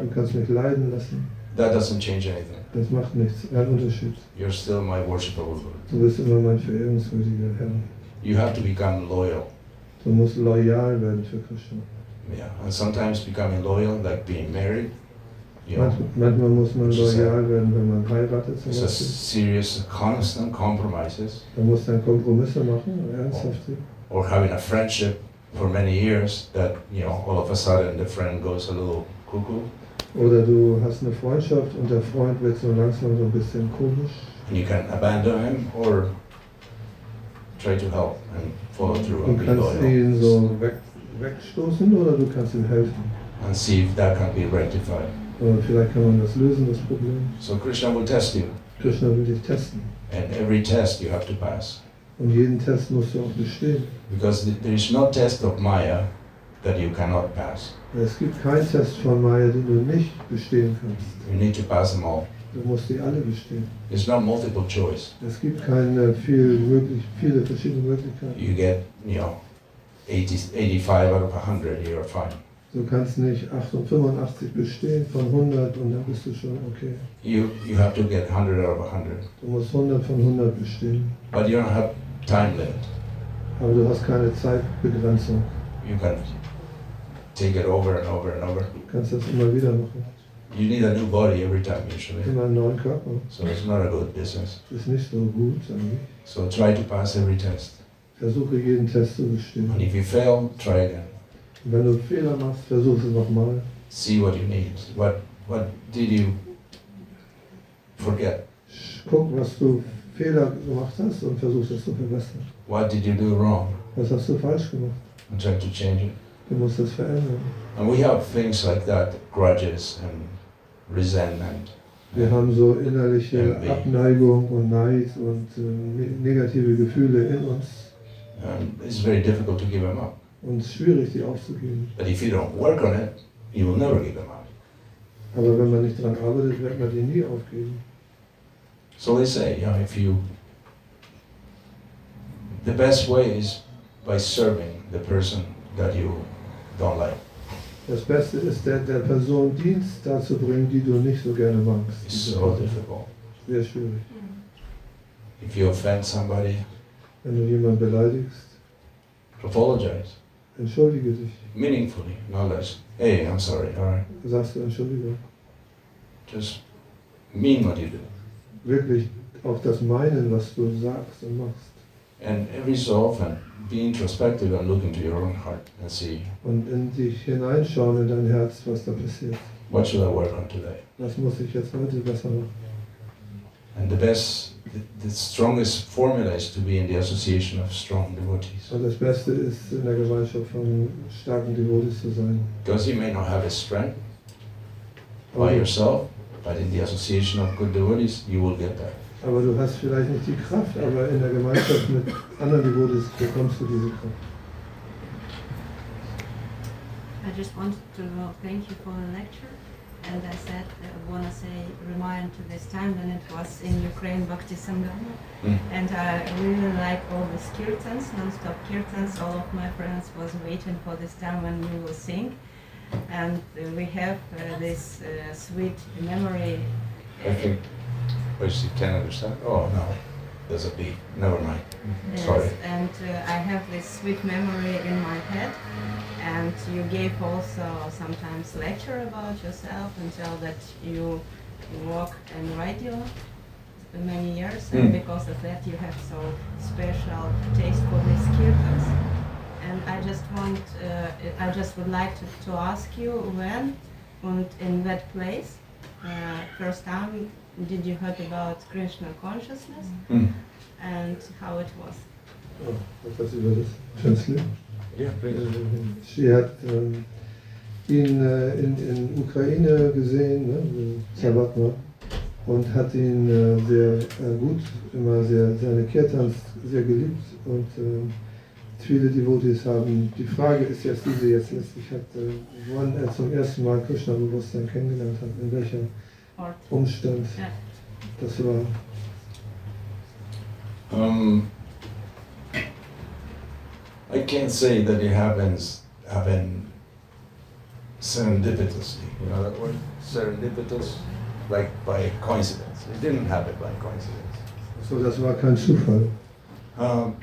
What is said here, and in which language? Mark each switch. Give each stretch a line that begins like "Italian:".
German: Du kannst mich leiden lassen.
English: That doesn't change anything.
German: Das macht nichts. Ein Unterschied.
English: You're still my worshipable Lord.
German: Du bist immer mein verehrenswürdiger Herr.
English: You have to become loyal.
German: Du musst loyal werden für Krishna.
English: Yeah, and sometimes becoming loyal, like being married.
German: Manchmal muss man loyal werden, wenn man heiratet.
English: It's a serious, constant compromises.
German: Da musst du dann Kompromisse machen, ernsthaft.
English: Or having a friendship for many years, that, you know, all of a sudden the friend goes a little cuckoo.
German: Oder du hast eine Freundschaft und der Freund wird so langsam so ein bisschen komisch.
English: And you can abandon him or try to help and follow through and be loyal.
German: Du kannst ihn so wegstoßen oder du kannst ihm helfen.
English: And see if that can be rectified.
German: Und vielleicht kann man das lösen, das Problem.
English: So Krishna will test you.
German: Krishna will dich testen.
English: And every test you have to pass.
German: Und jeden Test musst du auch bestehen.
English: Because there is no test of Maya that you cannot pass.
German: Es gibt keinen Test von Maya, den du nicht bestehen kannst.
English: You need to pass them all.
German: Du musst die alle bestehen.
English: It's not multiple choice.
German: Es gibt keine viele verschiedene Möglichkeiten.
English: You get, you know, 85 out of 100, you're fine.
German: Du kannst nicht 85 bestehen von 100 und dann bist du schon okay.
English: You have to get 100 out of 100.
German: Du musst 100 von 100 bestehen.
English: But you don't have time limit.
German: Aber du hast keine Zeitbegrenzung.
English: You can take it over and over and over.
German: Du kannst das immer wieder machen.
English: You need a new body every time, usually.
German: Immer einen neuen Körper.
English: So it's not a good business.
German: Ist nicht so gut, eigentlich.
English: So try to pass every test.
German: Versuche jeden Test zu bestehen.
English: And if you fail, try again.
German: Wenn du Fehler machst, versuche es nochmal.
English: See what you need. What did you forget?
German: Guck, was du Fehler gemacht hast und versuche es zu verbessern.
English: What did you do wrong?
German: Was hast du falsch gemacht?
English: And try to change it.
German: Du musst es verändern.
English: And we have things like that, grudges and resentment.
German: Wir haben so innerliche Abneigung und Neid und negative Gefühle in uns.
English: It's very difficult to give them up.
German: Und es ist schwierig, die aufzugeben.
English: But if you don't work on it, you will never give them up.
German: Aber wenn man nicht daran arbeitet, wird man die nie aufgeben.
English: So they say, you know, the best way is by serving the person that you don't like.
German: Das Beste ist, der Person Dienst dazu bringen, die du nicht so gerne magst.
English: It's so difficult.
German: Sehr schwierig.
English: If you offend somebody,
German: wenn du jemanden beleidigst,
English: apologize.
German: Entschuldige dich.
English: Meaningfully, not less. Hey, I'm sorry, alright.
German: Sagst du Entschuldigung.
English: Just mean what you do.
German: Wirklich auf das meinen, was du sagst und machst.
English: And every so often, be introspective and look into your own heart and see.
German: Und in dich hineinschauen in dein Herz, was da passiert.
English: What should I work on today?
German: Was muss ich jetzt heute besser machen?
English: And the best, the strongest formula is to be in the association of strong devotees.
German: Und das Beste ist, in der Gemeinschaft von starken Devotees zu sein.
English: Because you may not have a strength by yourself, but in the association of good devotees, you will get that.
German: Aber du hast vielleicht nicht die Kraft, aber in der Gemeinschaft mit anderen Devotees bekommst du diese Kraft.
English: I just wanted to thank you for the lecture. and I said, I want to say, remind to this time when it was in Ukraine, Bhakti Sangha. Mm. And I really like all these kirtans, non-stop kirtans. All of my friends was waiting for this time when we will sing. And we have this sweet memory. I think, what is it, 10 other stuff? Oh, no. There's a B. Never mind. Mm-hmm. Yes, sorry. And I have this sweet memory in my head. And you gave also sometimes lecture about yourself and tell that you work and write your many years. And because of that, you have so special taste for these kirtans. And I just want, I just would like to ask you when and in that place, first time, did you heard about Krishna consciousness and how it was?
German: Oh, was über das Translate?
English: Yeah,
German: sie hat ihn in Ukraine gesehen, ne, Zabatma, und hat ihn sehr gut, immer sehr, seine Kirtans sehr geliebt. Und viele Devotees haben, die Frage ist jetzt diese jetzt letztlich, hat, wann er zum ersten Mal Krishna-Bewusstsein kennengelernt hat, in welchem Umstand das war.
English: I can't say that it happened serendipitously, you know that word? Serendipitous, like by coincidence. It didn't happen by coincidence. So that's why
German: kein Zufall.